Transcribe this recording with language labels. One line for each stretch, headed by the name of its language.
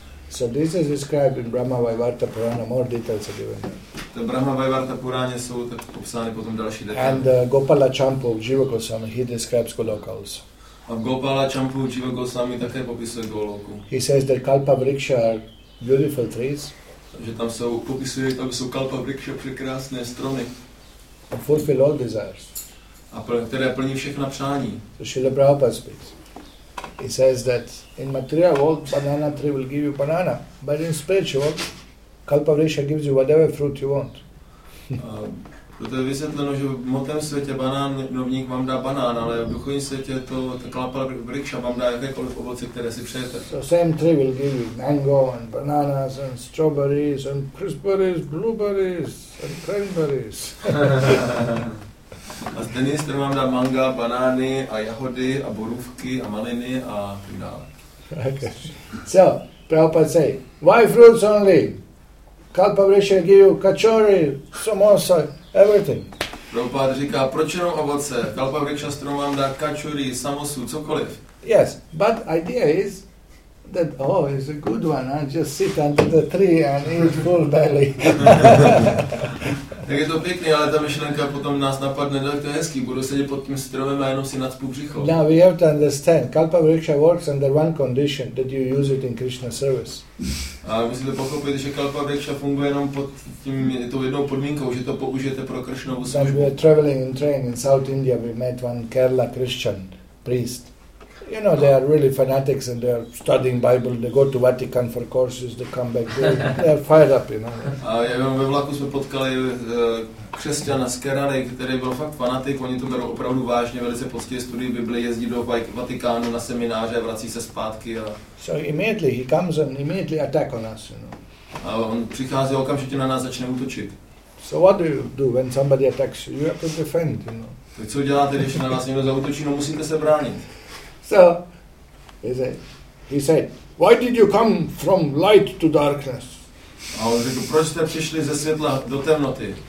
English: So this is described in Brahma Vaivarta Purana. More details are given.
Czech: The Brahma Vaivarta Purana jsou tak popsány potom další detaily.
English: And Gopala Champu Jiva Goswami, he describes Goloka also.
Czech: A Gopala Champu Jiva Goswami také popisuje Goloku.
English: He says that Kalpa Vriksha are beautiful trees.
Czech: Že tam jsou, popisuje, tam jsou Kalpa Vriksha překrásné stromy.
English: And fulfill all desires.
Czech: A které plní všechna přání.
English: So Srila Prabhupada speaks. He says that in material world, banana tree will give you banana, but in spiritual world, Kalpavriksha gives you whatever fruit you want.
Czech: Proto je vysvětleno, že v hmotném světě banánovník vám dá banán, ale v duchovním světě to Kalpavriksha vám dá jakékoliv ovoce, které si přejete.
English: So same tree will give you mango and bananas and strawberries and crispberries, blueberries and cranberries.
Czech: A z denní strom vám dá manga, banány a jahody a borůvky a maliny a tak dále.
English: Okay. So, Prabhupada say, why fruits only? Kalpavriksha give you kachori, samosa, everything.
Czech: Prabhupada říká, proč jenom ovoce? Kalpavriksha strom vám dá kachori, samosu, cokoliv.
English: Yes, but idea is that, oh, it's a good one, I just sit under the tree and eat full belly.
Czech: Tak je to pěkný, ale ta myšlenka potom nás napadne, tak to je hezký, budu sedět pod tím stromem a jenom si nacpu břicho.
English: Now we have to understand, Kalpavriksha works under one condition, that you use it in Krishna service.
Czech: A musíte pochopit, že Kalpavriksha funguje jenom pod tím, tou jednou podmínkou, že to použijete pro Krishnovu službu.
English: When we were traveling in train in South India, we met one Kerala Christian priest. You know, they are really fanatics and they are studying Bible. They go to Vatican for courses, they come back, they are fired up, you know.
Czech: Ve vlaku jsme potkali křesťana z Kerary, který byl fakt fanatik. Oni to berou opravdu vážně, velice poctivě studují Bibli, jezdí do Vatikánu na semináře, vrací se zpátky. A...
English: So immediately he comes and immediately attack on us, you know.
Czech: A on přichází okamžitě na nás, začne útočit.
English: So what do you do when somebody attacks you? You have to defend, you know.
Czech: Tak co děláte, když na vás někdo zautočí? No musíte se bránit.
English: So, he said, why did you come from light to darkness?
Czech: A on řekl, proč jste přišli ze světla do temnoty?